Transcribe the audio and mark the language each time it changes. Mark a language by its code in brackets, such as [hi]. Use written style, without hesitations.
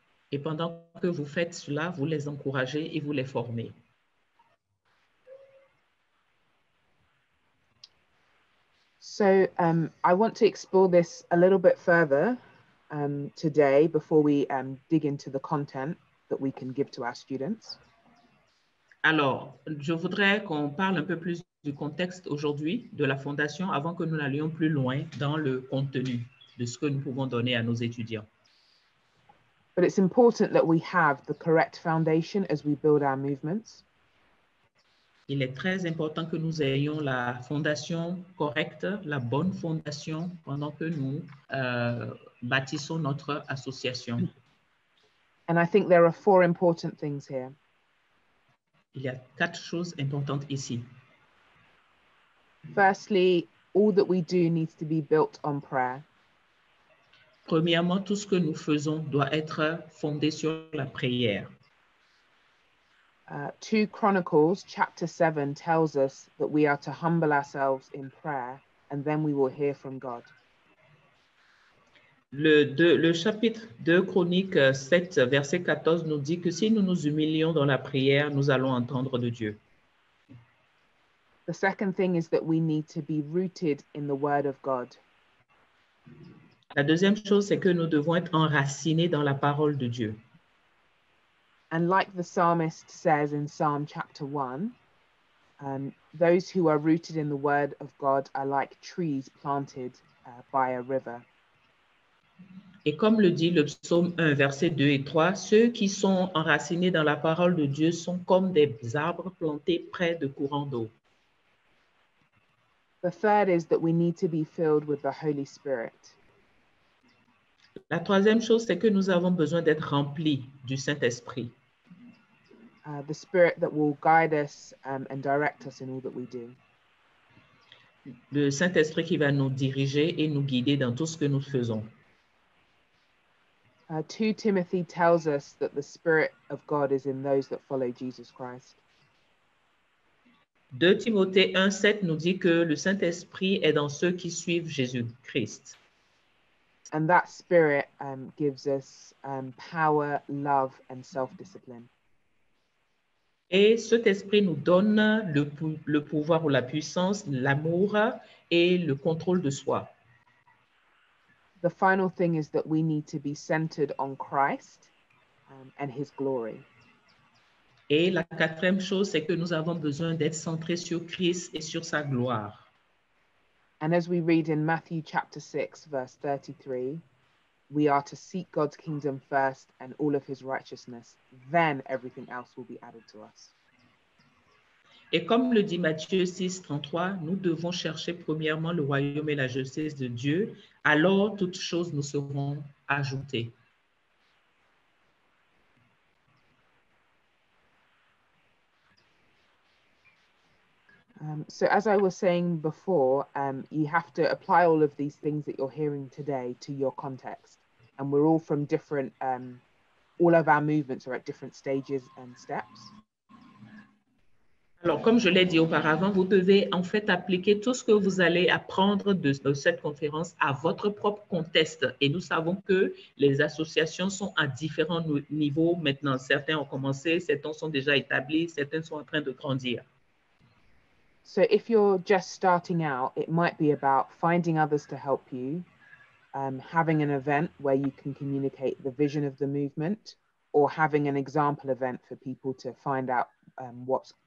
[fr] Et pendant que vous faites cela, vous les encouragez et vous les formez. [en] So, I want to explore this a little bit further today before we dig into the content that we can give to our students. [fr] Alors, je voudrais qu'on parle un peu plus du contexte aujourd'hui de la fondation avant que nous n'allions plus loin dans le contenu de ce que nous pouvons donner à nos étudiants. [en] But it's important that we have the correct foundation as we build our movements. [fr] Il est très important que nous ayons la fondation correcte, la bonne fondation pendant que nous bâtissons notre association. [en] And I think there are 4 important things here. [fr] Il y a 4 choses importantes ici. [en] Firstly, all that we do needs to be built on prayer. [fr] Premièrement, tout ce que nous faisons doit être fondé sur la prière. [en] 2 Chronicles, chapter 7, tells us that we are to humble ourselves in prayer and then we will hear from God. [fr] Le chapitre 2 Chroniques 7, verset 14, nous dit que si nous nous humilions dans la prière, nous allons entendre de Dieu. [en] The second thing is that we need to be rooted in the Word of God. [fr] La deuxième chose, c'est que nous devons être enracinés dans la parole de Dieu. [en] And like the psalmist says in Psalm chapter 1, those who are rooted in the Word of God are like trees planted by a river. [fr] Et comme le dit le psaume 1, versets 2 et 3, ceux qui sont enracinés dans la parole de Dieu sont comme des arbres plantés près de courants d'eau. [en] The third is that we need to be filled with the Holy Spirit. [fr] La troisième chose, c'est que nous avons besoin d'être remplis du Saint-Esprit. [en] The Spirit that will guide us and direct us in all that we do. [fr] Le Saint-Esprit qui va nous diriger et nous guider dans tout ce que nous faisons. [en] 2 Timothy tells us that the Spirit of God is in those that follow Jesus Christ. [fr] 2 Timothée 1:7 nous dit que le Saint-Esprit est dans ceux qui suivent Jésus-Christ. [en] And that spirit gives us power, love, and self-discipline. [fr] Et cet esprit nous donne le pouvoir ou la puissance, l'amour et le contrôle de soi. [en] The final thing is that we need to be centered on Christ and his glory. [fr] Et la quatrième chose, c'est que nous avons besoin d'être centrés sur Christ et sur sa gloire. [en] And as we read in Matthew chapter 6, verse 33, we are to seek God's kingdom first and all of his righteousness. Then everything else will be added to us. [fr] Et comme le dit Matthieu 6, 33, nous devons chercher premièrement le royaume et la justice de Dieu, alors toutes choses nous seront ajoutées. [en] So as I was saying before, you have to apply all of these things that you're hearing today to your context. And we're all from different, all of our movements are at different stages and steps. [fr] Alors, comme je l'ai dit auparavant, vous devez en fait appliquer tout ce que vous allez apprendre de cette conférence à votre propre contexte. Et nous savons que les associations sont à différents niveaux maintenant. Certains ont commencé, certains sont déjà établis, certains sont en train de grandir. [en] So if you're just starting out, it might be about finding others to help you, having an event where you can communicate the vision of the movement, or having an example event for people to find out what you're